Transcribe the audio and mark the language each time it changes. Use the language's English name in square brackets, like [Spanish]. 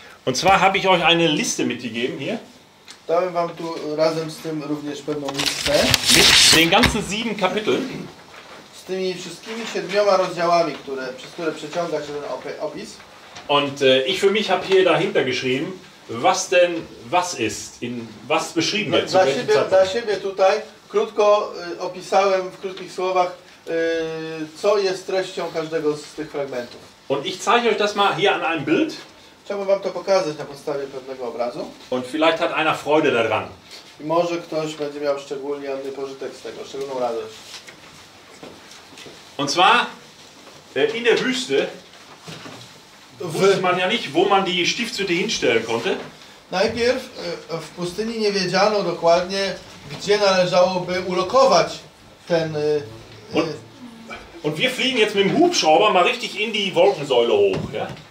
[German] Und zwar habe ich euch eine Liste mitgegeben hier. [Polish] Dałem wam tu razem z tym również pewną listę. [German] Mit den ganzen sieben Kapiteln. [Polish] Z tymi wszystkimi siedmioma rozdziałami, które, przez które przeciąga się ten opis. [German] Und ich für mich habe hier dahinter geschrieben, was denn was ist, in was beschrieben wird. [Polish] Dla siebie, tutaj krótko opisałem w krótkich słowach, co jest treścią każdego z tych fragmentów. [German] Und ich zeige euch das mal hier an einem Bild. [Polish] Chciałbym wam to pokazać na podstawie pewnego obrazu. [German] Und vielleicht hat einer Freude daran. [Polish] I może ktoś będzie miał szczególny pożytek z tego, szczególną radość. [German] Und zwar in der Wüste wusste man ja nicht, wo man die Stiftshütte hinstellen konnte. [Polish] Najpierw w pustyni nie wiedziano dokładnie, gdzie należałoby ulokować ten. [German] Und wir fliegen jetzt mit dem Hubschrauber mal richtig in die Wolkensäule hoch, ja?